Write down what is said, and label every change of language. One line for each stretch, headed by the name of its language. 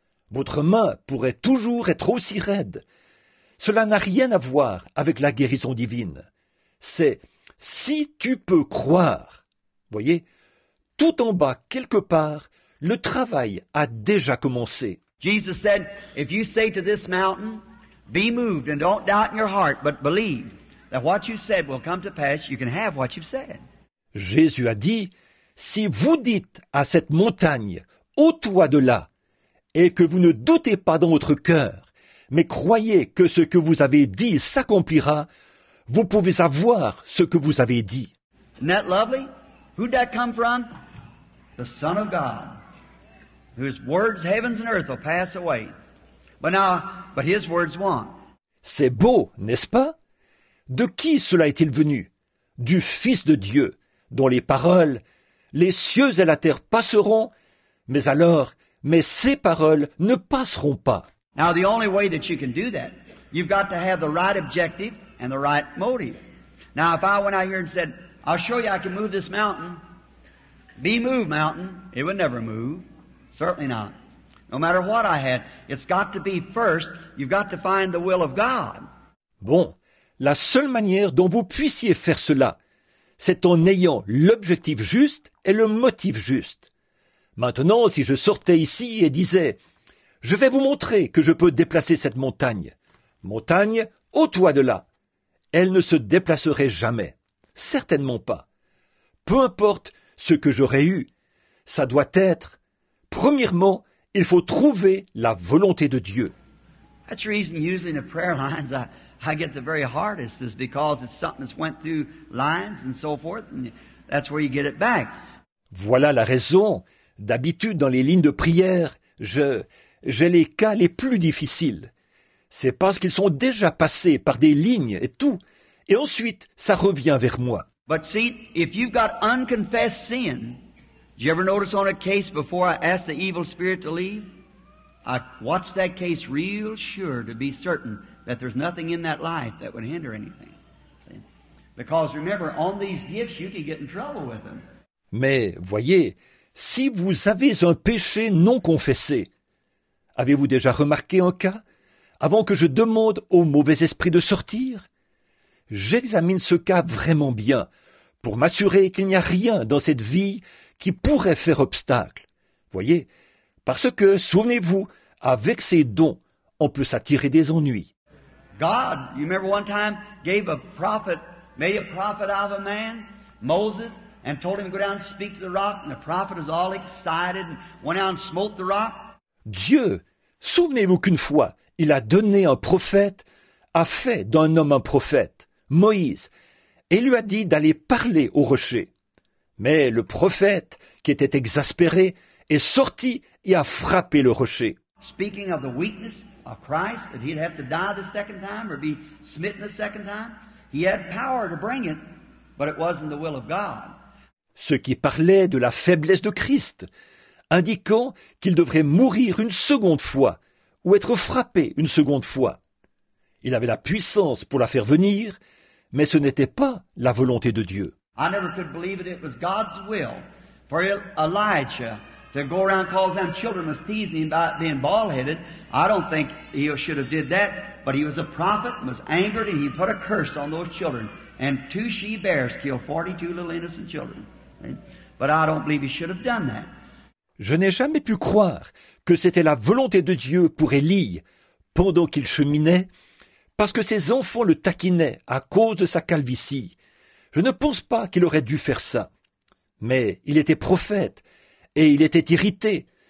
French: Votre main pourrait toujours être aussi raide. Cela n'a rien à voir avec la guérison divine. C'est « si tu peux croire ». Voyez, tout en bas, quelque part, le travail a déjà commencé.
English: Jesus said, if you say to this mountain, be moved and don't doubt in your heart, but believe that what you said will come to pass, you can have what you've said.
French: Jésus a dit, si vous dites à cette montagne, ôte-toi de là, et que vous ne doutez pas dans votre cœur, mais croyez que ce que vous avez dit s'accomplira, vous pouvez avoir ce que vous avez dit.
English: Isn't that lovely? Who'd that come from? The Son of God, whose words heavens and earth will pass away. But now, but his words won't.
French: C'est beau, n'est-ce pas? De qui cela est-il venu? Du Fils de Dieu, dont les paroles, les cieux et la terre passeront, mais alors mais ces paroles ne passeront pas.
English: Now the only way that you can do that, you've got to have the right objective and the right motive. Now if I went out here and said, I'll show you I can move this mountain, be moved mountain, it would never move, certainly not. No matter what I had, it's got to be first, you've got to find the will of God.
French: Bon, la seule manière dont vous puissiez faire cela, c'est en ayant l'objectif juste et le motif juste. Maintenant, si je sortais ici et disais, je vais vous montrer que je peux déplacer cette montagne. Montagne, au toit de là. Elle ne se déplacerait jamais. Certainement pas. Peu importe ce que j'aurais eu, ça doit être, premièrement, il faut trouver la volonté de Dieu.
English: That's the reason using the prayer lines I get the very hardest is because it's something that's went through lines and so forth and that's where you get it back.
French: Voilà la raison. D'habitude dans les lignes de prière, j'ai les cas les plus difficiles. C'est parce qu'ils sont déjà passés par des lignes et tout. Et ensuite, ça revient vers moi.
English: But see, if you've got unconfessed sin, do you ever notice on a case before I ask the evil spirit to leave? I watch that case real sure to be certain that there's nothing in that life that would hinder anything. See? Because remember, on these gifts, you can get in trouble with them.
French: Mais voyez, si vous avez un péché non confessé, avez-vous déjà remarqué un cas avant que je demande au mauvais esprit de sortir? J'examine ce cas vraiment bien pour m'assurer qu'il n'y a rien dans cette vie qui pourrait faire obstacle. Voyez, parce que, souvenez-vous, avec ses dons, on peut s'attirer des ennuis.
English: God, you remember one time, gave a prophet, made a prophet out of a man, Moses, and told him to go down and speak to the rock, and the prophet was all excited and went out and smote the rock.
French: Dieu, souvenez-vous qu'une fois, il a donné un prophète, a fait d'un homme un prophète, Moïse, et lui a dit d'aller parler au rocher. Mais le prophète, qui était exaspéré, est sorti et a frappé le rocher.
English: Speaking of the weakness of Christ, that he'd have to die the second time or be smitten the second time, he had power to bring it, but it wasn't the will of God.
French: Ce qui parlait de la faiblesse de Christ, indiquant qu'il devrait mourir une seconde fois ou être frappé une seconde fois. Il avait la puissance pour la faire venir, mais ce n'était pas la volonté de Dieu.
English: I never could believe it. It was God's will for Elijah to go around calls them children was teasing him about being bald-headed. I don't think he should have did that, but he was a prophet and was angered and he put a curse on those children. And two she-bears killed 42 little innocent children. But I don't believe he should have done that.
French: Je n'ai jamais pu croire que c'était la volonté de Dieu pour Élie pendant qu'il cheminait, parce que ses enfants le taquinaient à cause de sa calvitie. Je ne pense pas qu'il aurait dû faire ça. Mais il était prophète et il était irrité.